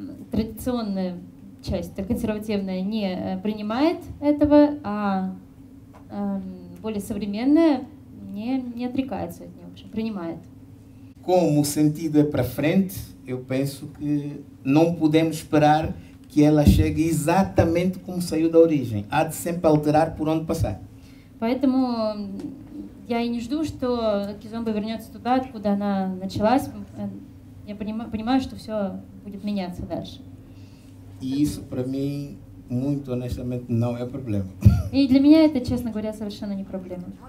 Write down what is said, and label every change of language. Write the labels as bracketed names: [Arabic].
[Russian] Традиционная часть, консервативная, не принимает этого, а более современная не отрекается от него, принимает. [Portuguese] Como o sentido é para frente, eu penso que não podemos esperar que ela chegue exatamente como saiu da origem. Há de sempre alterar por onde passar. [Russian] Поэтому я и не жду, что кизомба вернется туда, откуда она началась. Я понимаю, что все будет меняться дальше. [Portuguese] E isso para mim, muito honestamente, não é problema. [Russian] И для меня это, честно говоря, совершенно не проблема.